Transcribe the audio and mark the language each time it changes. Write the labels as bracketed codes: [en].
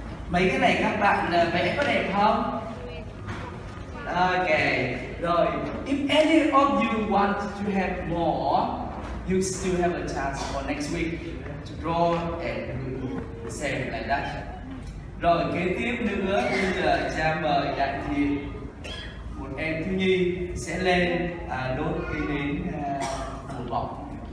[vi] Mấy cái này các bạn vẽ có đẹp không? Ok, rồi. [en] If any of you want to have more, you still have a chance for next week to draw and same like that. [vi] Rồi, kế tiếp nữa, bây giờ cha mời Đại Thiên, một em thiếu nhi sẽ lên đốt cái nến bùa vọng.